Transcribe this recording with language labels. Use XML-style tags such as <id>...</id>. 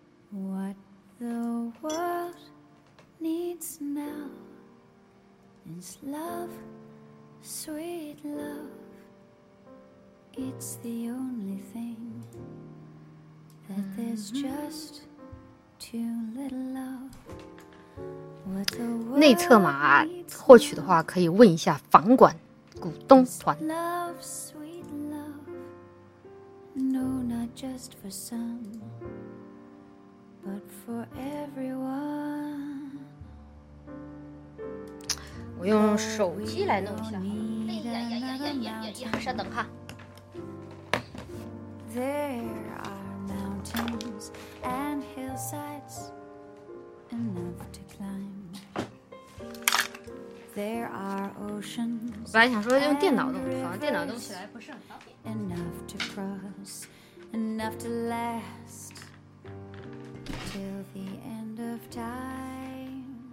<en>What the world needs now is love, sweet love. It's the only thing that there's just too little of.</en> <zh>内测码获取的话，可以问一下房管股东团。</zh> <en>Love, sweet love. No, not just for some, but for everyone.</en> <zh>我用手机来弄一下。哎呀呀呀呀呀呀！稍等哈。</zh> <en>There are mountains and hillsides enough to climb. There are oceans.</en> <zh>本来想说用电脑弄，好像电脑弄起来不是很方便。</zh> <en>Enough to cross, enough to last till the end of time.</en>